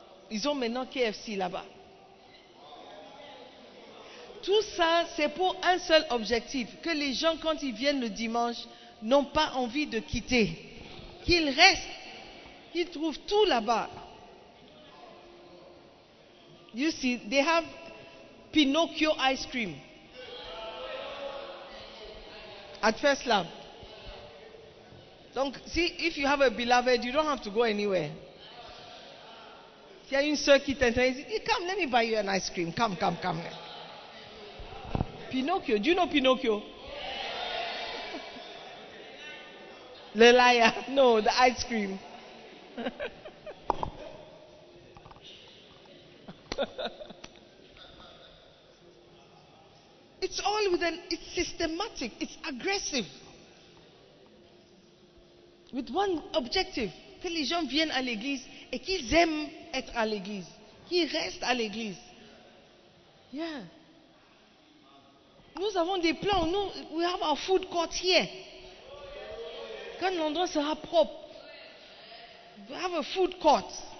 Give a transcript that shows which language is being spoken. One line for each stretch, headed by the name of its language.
French: Ils ont maintenant KFC là-bas. Tout ça, c'est pour un seul objectif, que les gens, quand ils viennent le dimanche, n'ont pas envie de quitter. Qu'ils restent, qu'ils trouvent tout là-bas.
English: You see, they have Pinocchio ice cream at First Lab. Donc, see, if you have a beloved, you don't have to go anywhere.
French: S'il y a une sœur qui t'intéresse,
English: come, let me buy you an ice cream. Come, come, come. Pinocchio, do you know Pinocchio? Le liar, no, the ice cream. It's all within, it's systematic, it's aggressive. With one objective,
French: que les gens viennent à l'église et qu'ils aiment être à l'église, qu'ils restent à l'église. Yeah. Nous avons des plans, nous,
English: we have our food court here.
French: Quand l'endroit sera propre,
English: we have a food court.